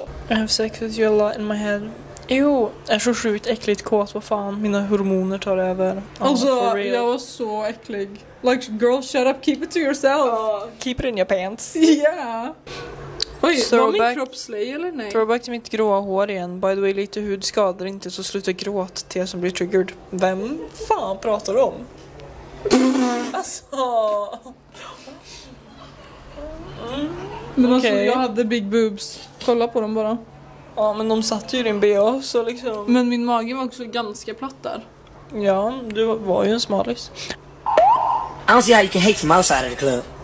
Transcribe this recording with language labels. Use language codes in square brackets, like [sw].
[en] I have sex with you a lot in my head. [sv] Jo, jag är så sjukt äckligt kåt. Vad fan, mina hormoner tar över. Alltså, jag var så äcklig. [en] Like, girl, shut up, keep it to yourself. Keep it in your pants. Yeah. [sv] Oj, throwback, var min kropp slay eller nej? Throwback till mitt gråa hår igen. [en] By the way, [sv] lite hud skadar inte, så sluta gråta till jag som blir triggered. Vem fan pratar du om? Alltså. Men okay. Alltså, jag hade [en] big boobs. [sv] Kolla på dem bara. Ja, men de satt ju i din BH, så liksom. Men min mage var också ganska platt där. Ja, du var ju en smalis. [en] I don't see how you can hate from outside of the club.